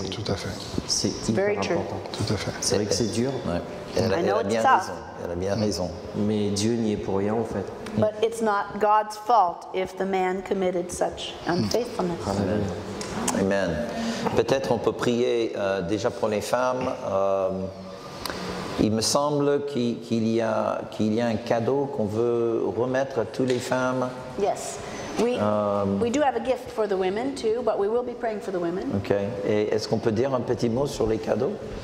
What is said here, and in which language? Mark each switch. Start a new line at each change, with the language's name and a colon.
French: Tout à fait. C'est hyper important. Tout à fait. C'est vrai que c'est dur. Elle a bien raison. Elle a bien raison. Mais Dieu n'y est pour rien, en fait.
English: But it's not God's fault if the man committed such unfaithfulness. Amen.
French: Peut-être on peut prier déjà pour les femmes. Il me semble qu'il y a un cadeau qu'on veut remettre à toutes les femmes.
English: Yes. We do have a gift for the women too, but we will be praying for the women. Okay.
French: Et est-ce qu'on peut dire un petit mot sur les cadeaux?